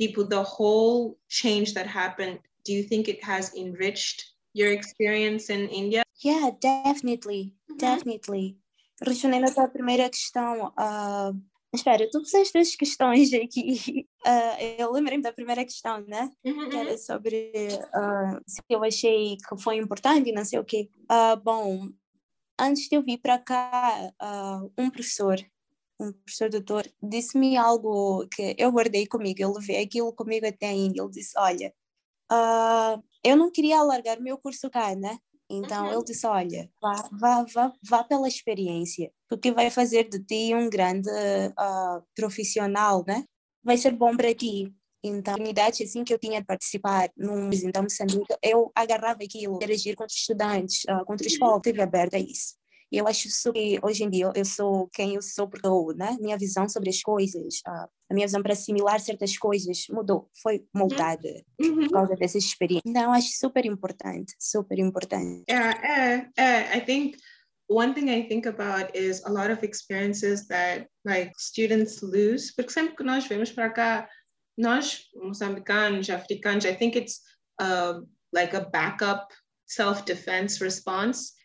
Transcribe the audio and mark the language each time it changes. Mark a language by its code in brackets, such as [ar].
[en] The whole change that happened, do you think it has enriched your experience in India? Yeah, definitely. Mm-hmm. Definitely. [pt] Respondendo a tua primeira questão, espera, tu fizeste as questões aqui. Eu lembrei-me da primeira questão, né? Uhum. Que era sobre se eu achei que foi importante e não sei o quê. Bom, antes de eu vir para cá, um professor doutor, disse-me algo que eu guardei comigo. Eu levei aquilo comigo até a Índia. Ele disse, olha, eu não queria alargar o meu curso cá, né? Então, uhum. Ele disse, olha, vá pela experiência, porque vai fazer de ti um grande profissional, né? Vai ser bom para ti. Então, a unidade, assim que eu tinha de participar num então, Moçambique, eu agarrava aquilo, interagir com os estudantes, com os povos, estive aberta a isso. E eu acho isso que, hoje em dia, eu sou quem eu sou, porque eu, né? Minha visão sobre as coisas, a minha visão para assimilar certas coisas mudou, foi moldada por causa dessa experiência. Então, acho super importante, super importante. [en] I think one thing I think about is a lot of experiences that, like, students lose. [pt] Porque sempre que nós vemos para cá, nós, moçambicanos, africanos, [en] I think it's like a backup self-defense response.